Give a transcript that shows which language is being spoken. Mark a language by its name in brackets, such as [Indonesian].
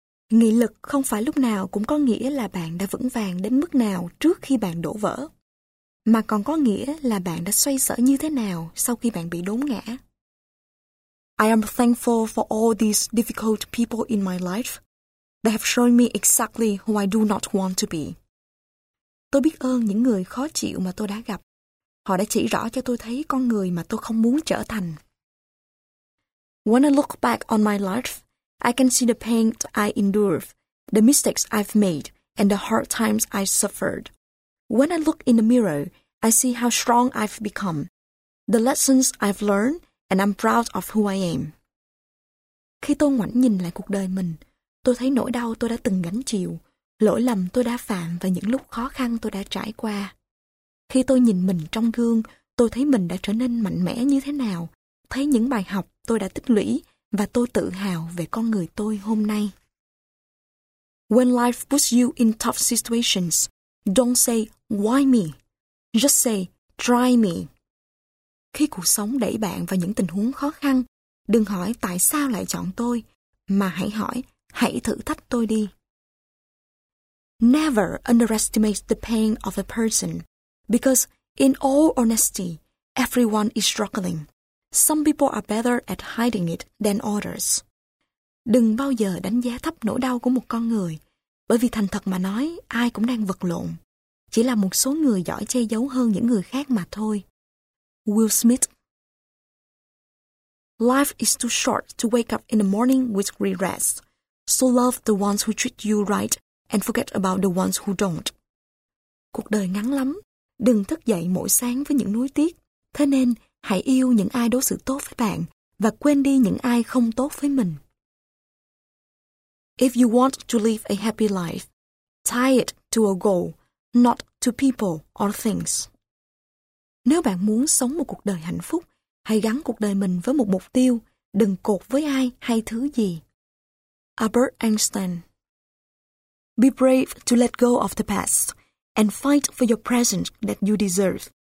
[Vietnamese] Nghị lực không phải lúc nào cũng có nghĩa là bạn đã vững vàng đến mức nào trước khi bạn đổ vỡ, mà còn có nghĩa là bạn đã xoay sở như thế nào sau khi bạn bị đốn ngã. [English] I am thankful for all these difficult people in my life. They have shown me exactly who I do not want to be. [Vietnamese] Tôi biết ơn những người khó chịu mà tôi đã gặp. Họ đã chỉ rõ cho tôi thấy con người mà tôi không muốn trở thành. [English] When I look back on my life, I can see the pain I endured, the mistakes I've made, and the hard times I suffered. When I look in the mirror, I see how strong I've become, the lessons I've learned, and I'm proud of who I am. [Vietnamese] Khi tôi ngoảnh nhìn lại cuộc đời mình, tôi thấy nỗi đau tôi đã từng gánh chịu, lỗi lầm tôi đã phạm và những lúc khó khăn tôi đã trải qua. Khi tôi nhìn mình trong gương, tôi thấy mình đã trở nên mạnh mẽ như thế nào, thấy những bài học tôi đã tích lũy và tôi tự hào về con người tôi hôm nay. [English] When life puts you in tough situations, don't say, why me? Just say, try me. [Vietnamese] Khi cuộc sống đẩy bạn vào những tình huống khó khăn, đừng hỏi tại sao lại chọn tôi, mà hãy hỏi, Hãy thử thách tôi đi. [English] Never underestimate the pain of a person, because in all honesty, everyone is struggling. Some people are better at hiding it than others. [Vietnamese] Đừng bao giờ đánh giá thấp nỗi đau của một con người, bởi vì thành thật mà nói, ai cũng đang vật lộn. Chỉ là một số người giỏi che giấu hơn những người khác mà thôi. [English] Will Smith. Life is too short to wake up in the morning with regrets. So love the ones who treat you right and forget about the ones who don't. [Vietnamese] Cuộc đời ngắn lắm, đừng thức dậy mỗi sáng với những nuối tiếc. Thế nên, hãy yêu những ai đối xử tốt với bạn và quên đi những ai không tốt với mình. [English] If you want to live a happy life, tie it to a goal, not to people or things. [Vietnamese] Nếu bạn muốn sống một cuộc đời hạnh phúc, hãy gắn cuộc đời mình với một mục tiêu, đừng cột với ai hay thứ gì. [English] Albert Einstein. Be brave to let go of the past and fight for your present that you deserve.